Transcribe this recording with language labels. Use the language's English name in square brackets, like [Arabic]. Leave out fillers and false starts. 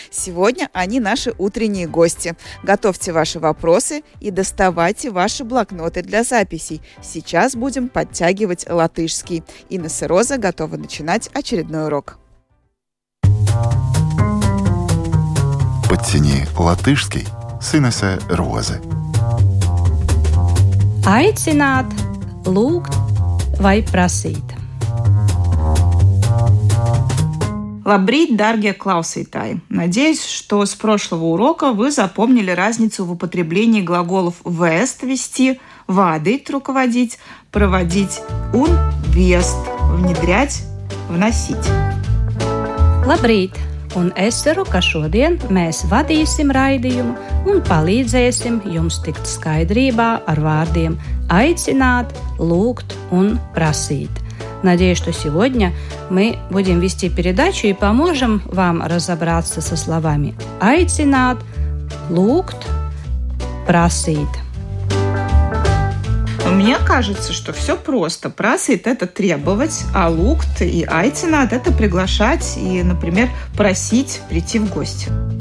[Russian] Сегодня они наши утренние гости. Готовьте ваши вопросы и доставайте ваши блокноты для записей. Сейчас будем подтягивать латышский. Инесса Роза готова начинать очередной урок. Подтяни латышский с Инессой Розой. [Latvian] Aicināt, lūgt vai prasīt. Labrīt, dargie klausītāji! [Russian] Надеюсь, что с прошлого урока вы запомнили разницу в употреблении глаголов «вест» – «вести», «вадить» – «руководить», «проводить» – «ун» – «вест», «внедрять» – «вносить». [Latvian] Labrīt! Un es ceru, ka šodien mēs vadīsim raidījumu un palīdzēsim jums tikt skaidrībā ar vārdiem aicināt, lūgt un prasīt. [Russian] Надеюсь, что сегодня мы будем вести передачу и поможем вам разобраться со словами aicināt, lūgt, prasīt. Мне кажется, что все просто. Просить – это требовать, а лукт и айцинат – это приглашать и, например, просить прийти в гости.